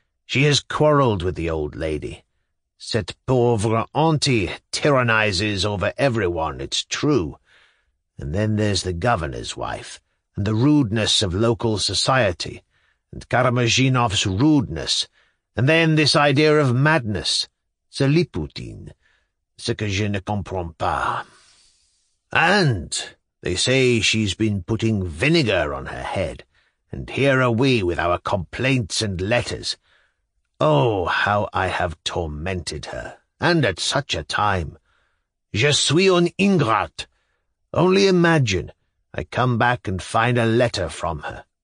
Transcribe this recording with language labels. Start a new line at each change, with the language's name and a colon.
English: She has quarrelled with the old lady.
French: Cette pauvre
English: auntie tyrannizes over everyone, it's true. And then there's the governor's wife, and the rudeness of local society, and Karamazinov's rudeness, and then this idea of madness.
French: C'est Liputin. Ce que je ne comprends pas.
English: And they say she's been putting vinegar on her head, and here are we with our complaints and letters. Oh, how I have tormented her, and at such a time.
French: Je suis un ingrat.
English: Only imagine, I come back and find a letter from her.